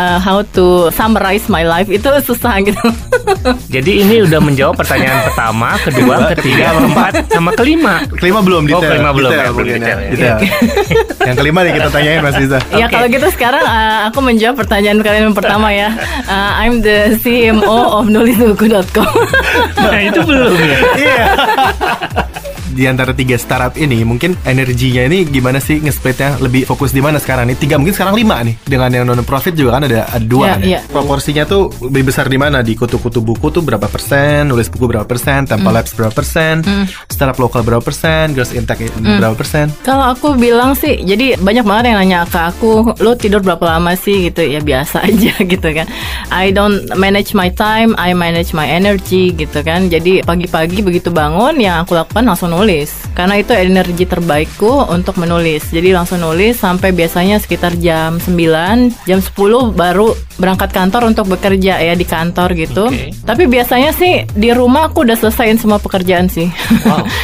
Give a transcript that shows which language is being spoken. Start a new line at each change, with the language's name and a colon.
English: How to summarize my life
Indonesian: itu susah gitu. Jadi ini udah menjawab pertanyaan pertama, kedua, ketiga, keempat, sama kelima. Kelima belum detail. Oh, kelima belum. Detail, belum detail, ya. Detail. Yang kelima nih kita tanyain Mas Iza. Ya okay. Kalau gitu sekarang aku menjawab pertanyaan kalian yang pertama ya.
English: I'm the CMO of nulisbuku.com.
Indonesian: Nah itu belum ya? Iya. Di antara tiga startup ini, mungkin energinya ini gimana sih nge-splitnya? Lebih fokus di mana sekarang nih? Tiga, mungkin sekarang lima nih. Dengan yang non-profit juga kan ada dua yeah, kan yeah. Ya. Proporsinya tuh lebih besar di mana? Di Kutu-Kutu Buku tuh berapa persen? Nulis Buku berapa persen? Tempo Labs berapa persen? Startup Lokal berapa persen? Girls in Tech berapa persen? Kalau aku bilang sih, jadi banyak banget yang nanya ke aku, lo tidur berapa lama sih? Gitu ya, biasa aja gitu kan.
English: I don't manage my time, I manage my energy
Indonesian: gitu kan. Jadi pagi-pagi begitu bangun, yang aku lakukan langsung nulis, karena itu energi terbaikku untuk menulis. Jadi langsung nulis sampai biasanya sekitar jam 9, jam 10 baru berangkat kantor untuk bekerja ya di kantor gitu. Okay. Tapi biasanya sih di rumah aku udah selesaiin semua pekerjaan sih. Wow.